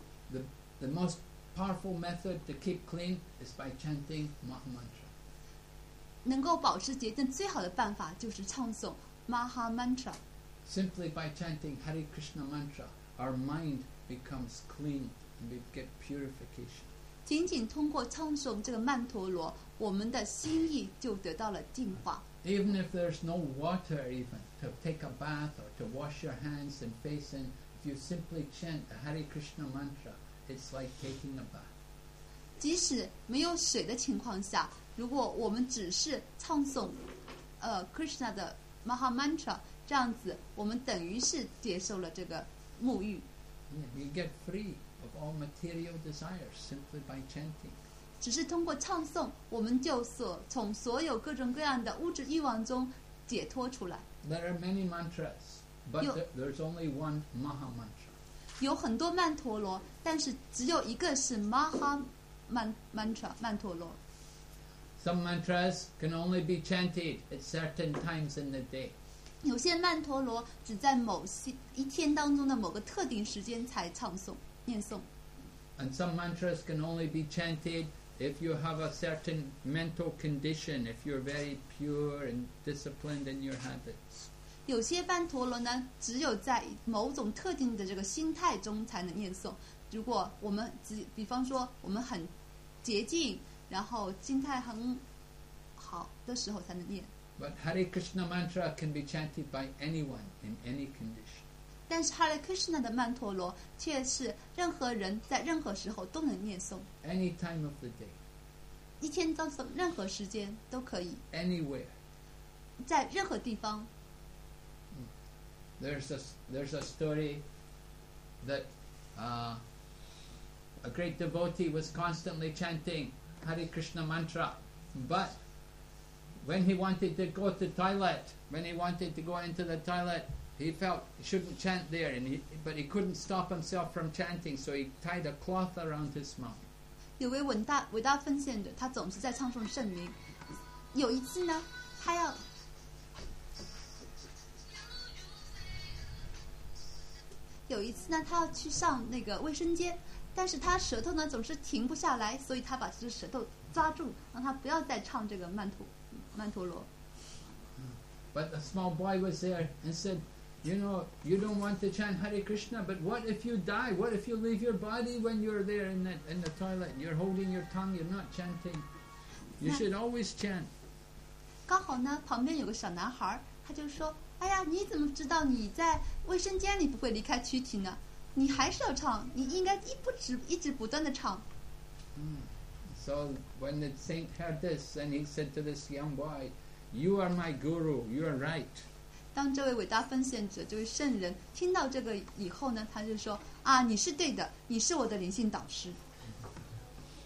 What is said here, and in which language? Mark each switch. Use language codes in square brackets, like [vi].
[en] The most powerful method to keep clean is by chanting Maha Mantra. [zh] 能够保持洁净最好的办法就是唱诵 Maha Mantra. [en] Simply by chanting Hare Krishna Mantra, our mind becomes clean and we get purification. [zh] 仅仅通过唱诵这个曼陀罗，我们的心意就得到了净化。 [en] Even if there's no water, even to take a bath or to wash your hands and face, and if you simply chant the Hare Krishna mantra, it's like taking a bath. [zh] 即使没有水的情况下，如果我们只是唱诵，Krishna 的 Maha mantra， 这样子我们等于是接受了这个沐浴。 [en] Yeah, you get free of all material desires simply by chanting. [zh] 只是通过唱诵，我们就所从所有各种各样的物质欲望中解脱出来。 [en] There are many mantras, but there's only one Maha mantra. [zh] 有很多曼陀罗，但是只有一个是 Maha mantra 曼陀罗。 [en] Some mantras can only be chanted at certain times in the day. [zh] 有些曼陀罗只在某些一天当中的某个特定时间才唱诵念诵。 [en] And some mantras can only be chanted if you have a certain mental condition, if you're very pure and disciplined in your habits. [zh] 有些曼陀罗呢，只有在某种特定的这个心态中才能念诵。如果我们比方说我们很洁净。然后心态很好的时候才能念。 [en] But Hare Krishna mantra can be chanted by anyone in any condition. [zh] 但是 Hare Krishna 的曼陀罗却是任何人在任何时候都能念诵。 [en] Any time of the day. [zh] 一天到晚任何时间都可以。 [en] Anywhere. [zh] 在任何地方。 [en] There's a story that a great devotee was constantly chanting. Hare Krishna mantra, but when he wanted to go to toilet, when he wanted to go into the toilet, he felt he shouldn't chant there, but he couldn't stop himself from chanting, so he tied a cloth around his mouth. [zh] 有位伟大奉献者，他总是在唱诵圣名。有一次呢，他要去上那个卫生间。但是他舌头呢总是停不下来，所以他把这舌头抓住，让他不要再唱这个曼陀罗。 [en] But a small boy was there and said, "You know, you don't want to chant Hare Krishna, but what if you die? What if you leave your body when you're there in the toilet? You're holding your tongue. You're not chanting. You should always chant." [zh] 刚好呢，旁边有个小男孩，他就说：“哎呀，你怎么知道你在卫生间里不会离开躯体呢？” 你还是要唱，你应该一直不断的唱。 [en] So when the saint heard this, then he said to this young boy, "You are my guru. You are right." [zh] 当这位伟大奉献者，这位圣人听到这个以后呢，他就说：“啊，你是对的，你是我的灵性导师。”